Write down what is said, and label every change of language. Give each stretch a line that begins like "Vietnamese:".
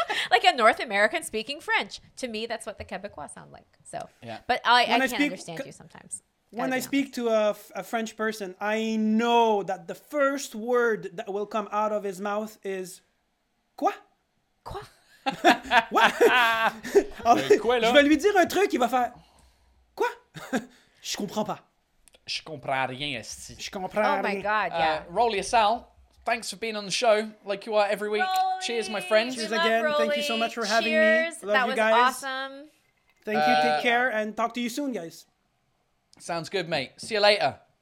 English: Like a North American speaking French. To me, that's what the Quebecois sound like. So, yeah. But I can't understand you sometimes. When I speak to a French person, I know that the first word that will come out of his mouth is quoi?
French: Quoi? What? Alors, mais quoi, là? Je vais lui dire un truc, il va faire quoi? Je comprends pas. Je comprends rien, esti. Je comprends
English: rien. Oh my God, yeah. Rolly Assal, thanks for being on the show like you are every week. Rolly, cheers, my friends. Cheers again. Rolly. Thank you so much for having cheers. Me. Love that you guys. That was awesome. Thank you. Take care and talk to you soon, guys. Sounds good, mate. See you later.